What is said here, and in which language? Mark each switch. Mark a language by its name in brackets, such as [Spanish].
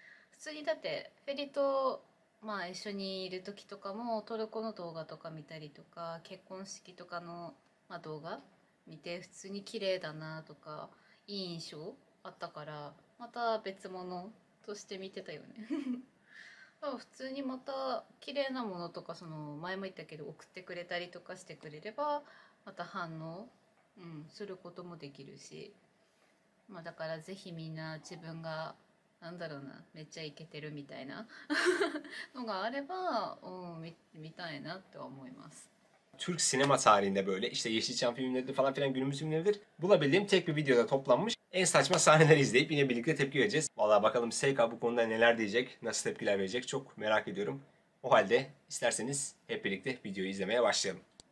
[Japanese] Futsuni datte Feri to ma issho ni iru toki toka mo Toruko no douga toka mitari toka kekkonshiki toka no まあ、動画見て普通に綺麗だなとかいい印象あったからまた別物として見てたよね。まあ普通にまた綺麗なものとかその前も言ったけど送ってくれたりとかしてくれればまた反応、うん、することもできるし、まあ、だからぜひみんな自分がなんだろうなめっちゃイケてるみたいなのがあれば、うん、見たいなって思います。 [Turkish] Türk sinema tarihinde böyle işte Yeşilçam filmleridir falan filan günümüz filmleridir. Bulabildiğim tek bir videoda toplanmış en saçma sahneleri izleyip yine birlikte tepki vereceğiz. Valla bakalım Seika bu konuda neler diyecek, nasıl tepkiler verecek çok merak ediyorum. O halde isterseniz hep birlikte videoyu izlemeye başlayalım.